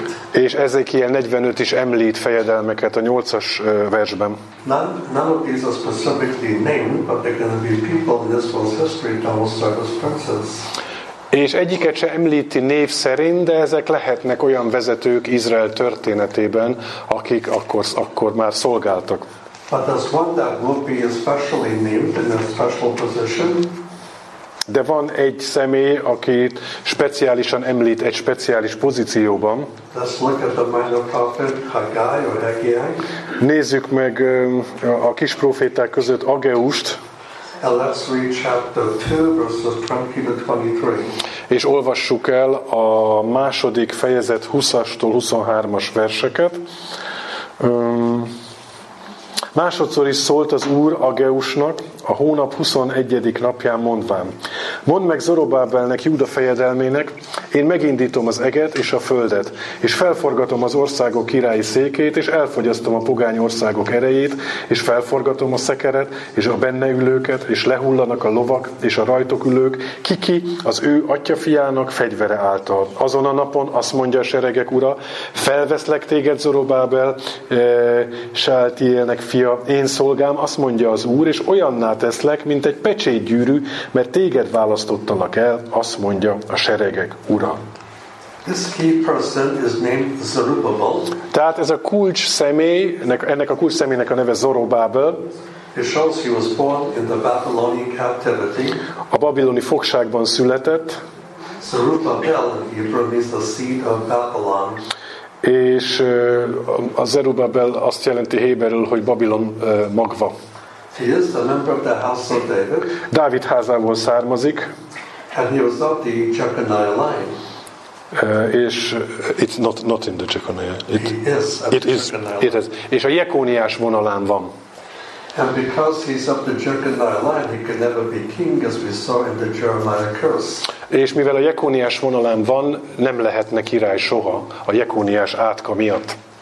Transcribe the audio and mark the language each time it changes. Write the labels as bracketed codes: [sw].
[hu] És Ezékiel 45 is említ fejedelmeket a 8-as versben. [en] None of these are specifically named, but they're going to be people in Israel's history that will serve as princes. [hu] És egyiket se említi név szerint, de ezek lehetnek olyan vezetők Izrael történetében, akik akkor már szolgáltak. [en] But there's one that will be especially named in a special position. [hu] De van egy személy, aki speciálisan említ egy speciális pozícióban. [en] Let's look at the minor prophet Haggai or Haggai. [hu] Nézzük meg a kis proféták között Ageust. [en] And let's read chapter 2, verses 20-23. [hu] És olvassuk el a második fejezet 20-as-tól 23-as verseket. Másodszor is szólt az Úr Ageusnak a hónap 21. napján mondván. Mondd meg Zorobábelnek, Júda fejedelmének, én megindítom az eget és a földet, és felforgatom az országok királyi székét, és elfogyasztom a pogány országok erejét, és felforgatom a szekeret, és a benne ülőket, és lehullanak a lovak, és a rajtok ülők, kiki az ő atyafiának fegyvere által. Azon a napon azt mondja a seregek ura, felveszlek téged Zorobábel, Sáltielnek fia, én szolgám, azt mondja az Úr, és olyanná teszlek, mint egy pecsétgyűrű, mert téged választottanak el, azt mondja a seregek ura. [en] This key person is named Zerubbabel. [hu] Tehát ez a kulcs személy, ennek a kulcs személynek a neve Zorobábel. [en] It shows he was born in the Babylonian captivity. [hu] A babiloni fogságban született. [en] Zerubbabel in Hebrew means the seed of Babylon. [hu] És a Zerubbabel azt jelenti héberül, hogy Babilon magva. [en] He is a member of the house of David. [hu] Dávid házából származik. [en] And he was of the Jeconiah line. És it's not in the Jeconiah. It is. [hu] És a Jekóniás vonalán van. [en] And because he's of the Jeconiah line, he could never be king, as we saw in the Jeremiah curse. [hu] És mivel a Jekóniás vonalán van, nem lehetne király soha a Jekóniás átka miatt.